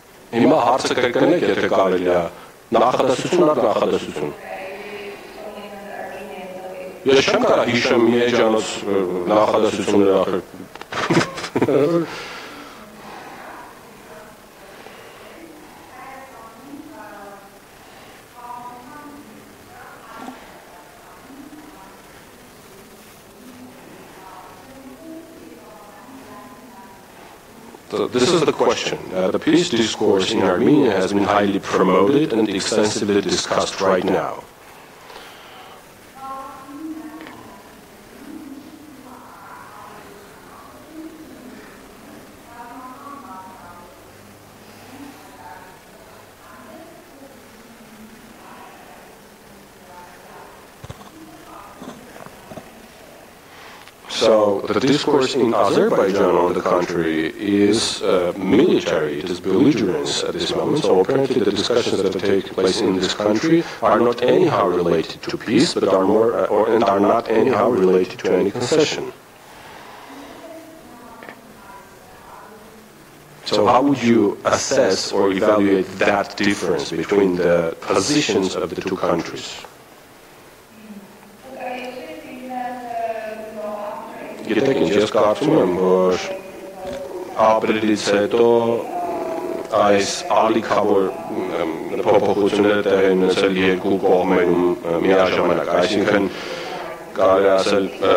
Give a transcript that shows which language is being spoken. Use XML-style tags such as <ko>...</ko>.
<hy>Հիմա հարցը կրկնեք, եթե կարելի է, նախադասություն առ նախադասություն։ Ես չեմ կարա հիշեմ մի էջանոց նախադասություններ ախեր։</hy> <en>This is the question. The peace discourse in Armenia has been highly promoted and extensively discussed right now. The discourse in Azerbaijan, on the contrary, is military, it is belligerence at this moment. So apparently the discussions that are taking place in this country are not anyhow related to peace, but are more, and are not anyhow related to any concession. So how would you assess or evaluate that difference between the positions of the two countries?</en> <hy>Գիտեք ինչ, ես կարծում եմ, որ ապրիլից հետո այս ալիքավոր փոփոխությունները տեղի են ունեցել երկու կողմերում միաժամանակ, այսինքն կարելի ասել</hy>